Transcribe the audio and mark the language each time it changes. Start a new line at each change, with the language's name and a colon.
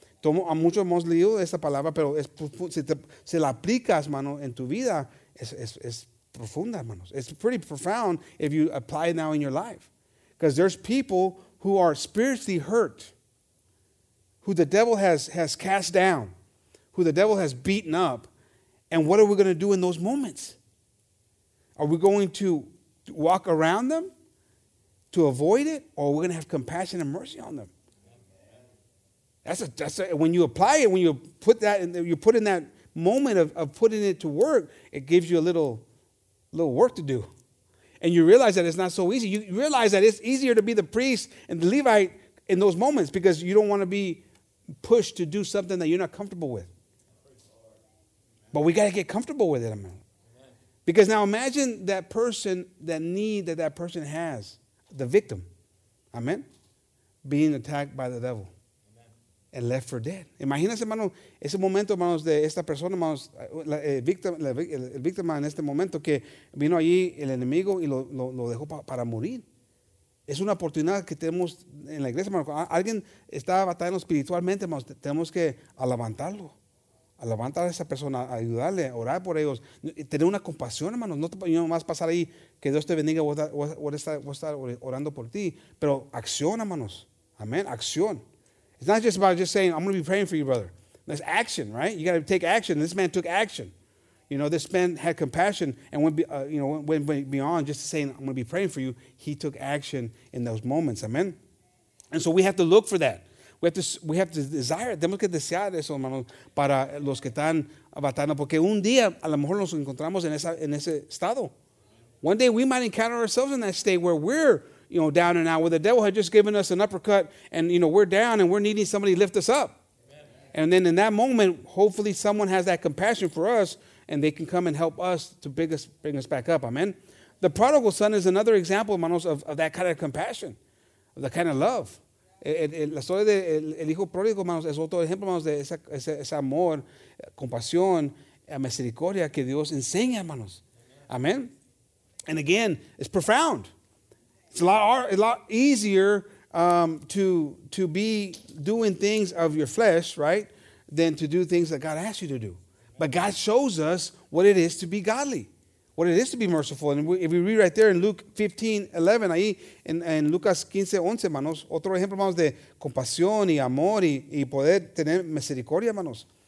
Spanish: Tomo a muchos hemos leído esta palabra, pero es profundo. Si la aplicas, mano, en tu vida, es profunda, hermanos.
English: It's pretty profound if you apply it now in your life. Because there's people who are spiritually hurt, who the devil has cast down, who the devil has beaten up. And what are we going to do in those moments? Are we going to walk around them to avoid it? Or are we going to have compassion and mercy on them? When you apply it, when you put that in, you put in that moment of putting it to work, it gives you a little work to do. And you realize that it's not so easy. You realize that it's easier to be the priest and the Levite in those moments because you don't want to be pushed to do something that you're not comfortable with. But we got to get comfortable with it, amen. Because now imagine that person, that need that that person has, the victim, amen, being attacked by the devil and left for dead.
Spanish: Imagínense, hermano, ese momento, hermanos, de esta persona, hermanos, la víctima en este momento que vino allí el enemigo y lo dejó para morir. Es una oportunidad que tenemos en la iglesia, hermano. Alguien está batallando espiritualmente, hermanos, tenemos que levantarlo. A levantar a esa persona, a ayudarle, a orar por ellos, tener una compasión, hermanos. No te vas a pasar ahí, que Dios te bendiga, voy a estar orando por ti. Pero acción, hermanos. Amén, acción.
English: It's not just about just saying, I'm going to be praying for you, brother. That's action, right? You got to take action. This man took action. You know, this man had compassion and went beyond just saying, I'm going to be praying for you. He took action in those moments. Amen. And so we have to look for that. We have to desire.
Spanish: Tenemos que desear eso, hermanos, para los que están batallando. Porque un día, a lo mejor nos encontramos en ese estado.
English: One day we might encounter ourselves in that state where we're, you know, down and out, where the devil had just given us an uppercut and, you know, we're down and we're needing somebody to lift us up. Amen. And then in that moment, hopefully someone has that compassion for us and they can come and help us to bring us back up. Amen. The prodigal son is another example, hermanos, of that kind of compassion, of that kind of love.
Spanish: La historia del hijo pródigo, hermanos, es otro ejemplo, hermanos, de ese amor, compasión, misericordia que Dios enseña, hermanos.
English: Amen. And again, it's profound. It's a lot easier to be doing things of your flesh, right, than to do things that God asks you to do. But God shows us what it is to be godly, what it is to be merciful. And if we read right there in Luke 15:11,
Spanish: ahí en Lucas 15:11, hermanos, otro ejemplo, hermanos, de compasión y amor y poder tener misericordia, hermanos.